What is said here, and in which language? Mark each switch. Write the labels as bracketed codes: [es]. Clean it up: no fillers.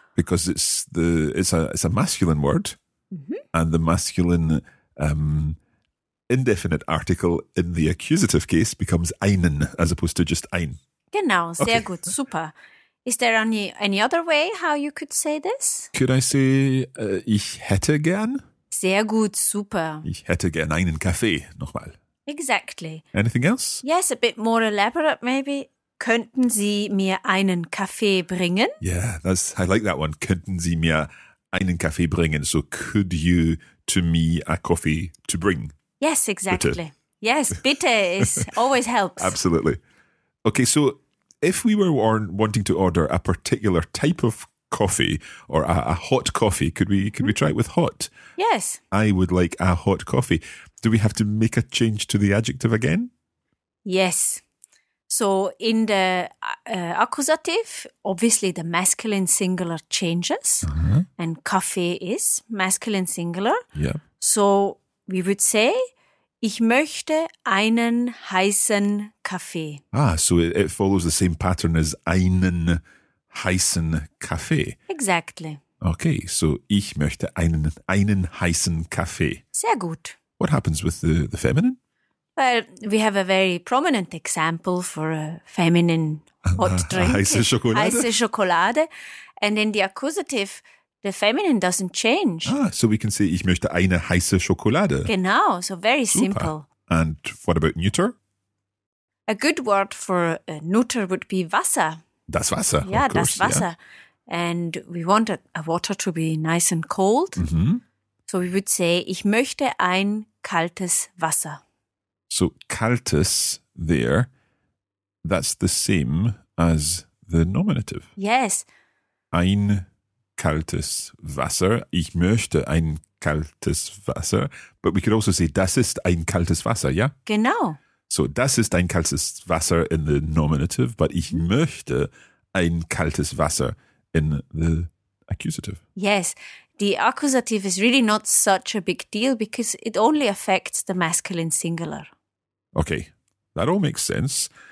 [en] Because it's a masculine word. Mm-hmm. And the masculine indefinite article in the accusative case becomes einen as opposed to just ein. [de] Genau, sehr okay. Good, super. [en] Is there any other way how you could say this? Could I say, [de] ich hätte gern? Sehr gut, super. Ich hätte gern einen Kaffee, nochmal. [en] Exactly. Anything else? Yes, a bit more elaborate maybe. [de] Könnten Sie mir einen Kaffee bringen? [en] Yeah, I like that one. [de] Könnten Sie mir einen Kaffee bringen? [en] So could you to me a coffee to bring? Yes, exactly. Bitte. Yes, bitte is always helps. Absolutely. Okay, so... If we were wanting to order a particular type of coffee or a hot coffee, could we try it with hot? Yes. I would like a hot coffee. Do we have to make a change to the adjective again? Yes. So in the accusative, obviously the masculine singular changes and coffee is masculine singular. Yeah. So we would say, [de] Ich möchte einen heißen Kaffee. [en] Ah, so it follows the same pattern as [de] einen heißen Kaffee. [en] Exactly. [de] Okay, so ich möchte einen heißen Kaffee. Sehr gut. [en] What happens with the feminine? Well, we have a very prominent example for a feminine hot drink. [de] Heiße Schokolade. Heiße Schokolade. [en] And in the accusative, the feminine doesn't change. Ah, so we can say, [de] ich möchte eine heiße Schokolade. [en] Genau, so very Super. Simple. And what about neuter? A good word for neuter would be Wasser. [de] Das Wasser, [en] yeah, of course. [de] Das Wasser. [en] Yeah. And we want a water to be nice and cold. Mm-hmm. So we would say, [de] ich möchte ein kaltes Wasser. [en] So kaltes there, that's the same as the nominative. Yes. [de] Ein kaltes Wasser. Ich möchte ein kaltes Wasser. [en] But we could also say, [de] das ist ein kaltes Wasser, yeah? Genau. [en] So [de] das ist ein kaltes Wasser [en] in the nominative, but [de] ich möchte ein kaltes Wasser [en] in the accusative. Yes. The accusative is really not such a big deal because it only affects the masculine singular. Okay, that all makes sense.